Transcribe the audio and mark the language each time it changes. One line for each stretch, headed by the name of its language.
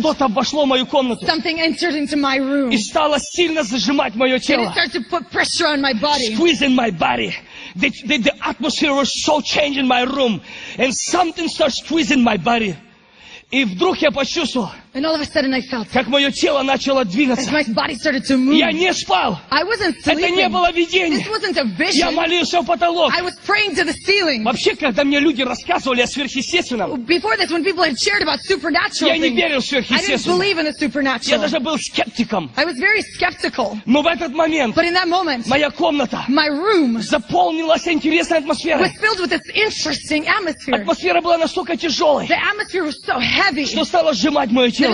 Russian: Что-то вошло в мою комнату.
English: Something entered into my room.
Russian: И стало сильно зажимать мое тело.
English: And it started to put pressure on my body. Squeezing my body. The atmosphere was so changed in my room. And something started squeezing my body.
Russian: И вдруг я почувствовал.
English: And all of a sudden I felt.
Russian: Как мое тело начало двигаться.
English: As my body started to move.
Russian: Я не спал.
English: I wasn't sleeping.
Russian: Это не было видение.
English: This wasn't a vision.
Russian: Я молился в потолок.
English: I was praying to the ceiling.
Russian: Вообще, когда мне люди рассказывали о сверхъестественном.
English: Before this, when people had shared about supernatural
Russian: things. Я не верил в сверхъестественное.
English: I didn't believe in the supernatural.
Russian: Я даже был скептиком.
English: I was very skeptical.
Russian: Но в этот момент.
English: But in that moment.
Russian: Моя комната.
English: My room.
Russian: Заполнилась интересной атмосферой.
English: Was filled with this interesting atmosphere.
Russian: Атмосфера была настолько тяжелой.
English: The atmosphere was so heavy.
Russian: Что стало сжимать мое тело.